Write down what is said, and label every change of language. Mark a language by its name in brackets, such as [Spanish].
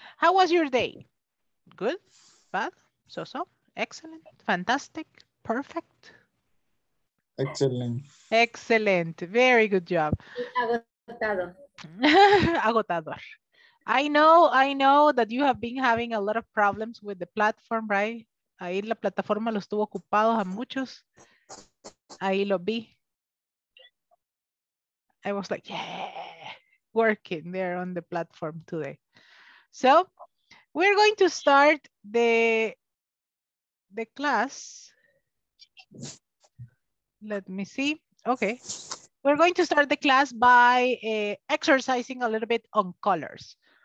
[English] How was your day? Good, bad, so-so, excellent, fantastic, perfect. Excellent. Excellent, very good job. [Spanish] Agotado. [English] I know that you have been having a lot of problems with the platform, right? [Spanish] Ahí la plataforma los tuvo ocupados a muchos. Ahí lo vi. [English] I was like, yeah, working there on the platform today. So, we're going to start the class. Let me see. Okay. We're going to start the class by exercising a little bit on colors.